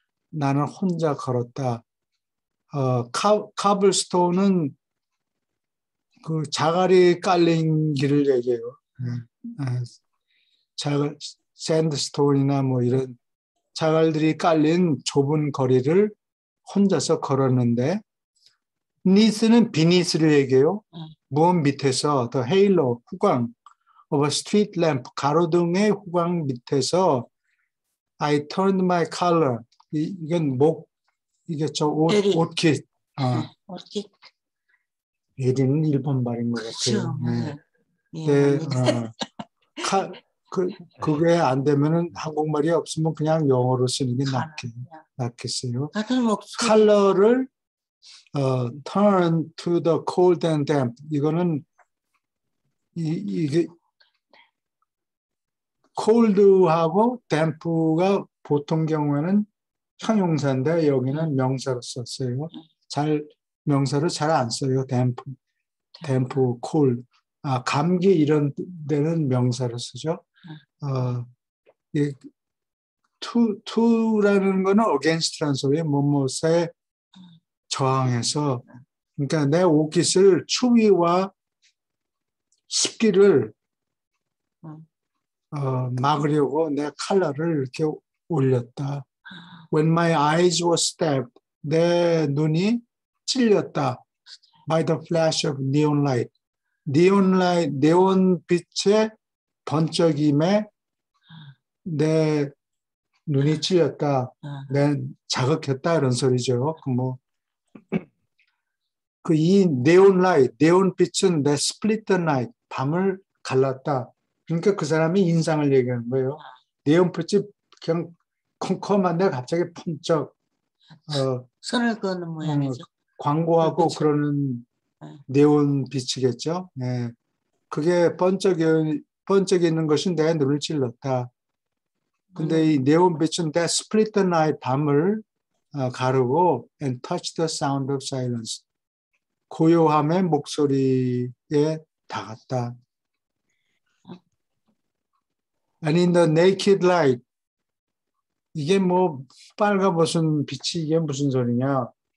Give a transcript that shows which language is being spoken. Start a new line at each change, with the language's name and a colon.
Korean: 나는 혼자 걸었다. 카블스톤은 그 자갈이 깔린 길을 얘기해요. 자갈, 샌드스톤이나 뭐 이런 자갈들이 깔린 좁은 거리를 혼자서 걸었는데, 니스는 비니스를 얘기해요. 무언 밑에서,
English: the halo, 후광 of a street lamp,
Korean: 가로등의 후광 밑에서
English: I turned my color.
Korean: 이건 목, 이게 저 옷, 에리. 옷깃. 아. 옷깃. 예리는 일본 말인 것 같아요. 그쵸. 네. 네. 네. 그게 안 되면은 한국말이 없으면 그냥 영어로 쓰는 게 낫겠어요. 같은 목소리.
English: 컬러를, turn to the cold and damp.
Korean: 이거는, 이게, cold하고 damp가 보통 경우에는 형용사인데 여기는 명사로 썼어요. 잘 명사를 잘 안 써요. damp, damp, cold. 아, 감기 이런 데는 명사로 쓰죠. 이 to라는 거는 against라는 소리예요. 뭐뭐에 저항해서. 그러니까 내 옷깃을 추위와 습기를 막으려고 내 컬러를 이렇게 올렸다.
English: When my eyes were stabbed,
Korean: 내 눈이 찔렸다.
English: By the flash of neon light, neon light,
Korean: 네온 빛의 번쩍임에 내 눈이 찔렸다. 내 자극했다 이런 소리죠. 그 뭐 그 이 네온 light, 네온 빛은 내
English: split the night,
Korean: 밤을 갈랐다. 그러니까 그 사람이 인상을 얘기하는 거예요. 네온 빛이 그냥 컴컴한데 갑자기 번쩍 손을 그는 모양이죠. 광고하고 그 그러는 네온 빛이겠죠. 네. 그게 번쩍 있는 것이 내 눈을 찔렀다. 근데 이 네온 빛은
English: that split the night,
Korean: 밤을 가르고
English: and touch the sound of silence.
Korean: 고요함의 목소리에 닿았다.
English: And in the naked light,
Korean: 이게 뭐 빨가벗은 빛이 이게 무슨 소리냐?